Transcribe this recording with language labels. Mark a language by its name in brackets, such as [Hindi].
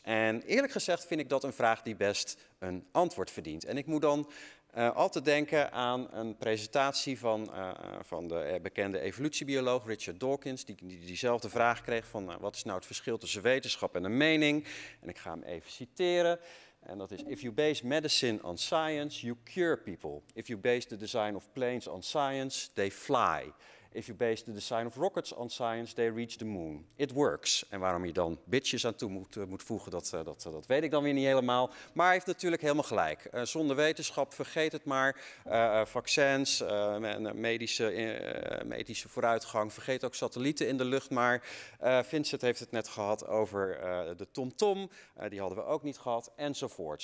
[Dutch] En eerlijk gezegd vind ik dat een vraag die best een antwoord verdient. En ik moet dan altijd denken aan een presentatie van de bekende evolutiebioloog Richard Dawkins, die diezelfde vraag kreeg van, wat is nou het verschil tussen wetenschap en een mening? En ik ga hem even citeren. En dat is, [English] if you base medicine on science, you cure people. If you base the design of planes on science, they fly. If you base the design of rockets on science, they reach the moon. It works. [Dutch] En waarom je dan bitches aan toe moet voegen, dat weet ik dan weer niet helemaal. Maar hij heeft natuurlijk helemaal gelijk. Zonder wetenschap, vergeet het maar. Vaccins, medische vooruitgang, vergeet ook satellieten in de lucht maar. Vincent heeft het net gehad over de TomTom. Die hadden we ook niet gehad, enzovoort.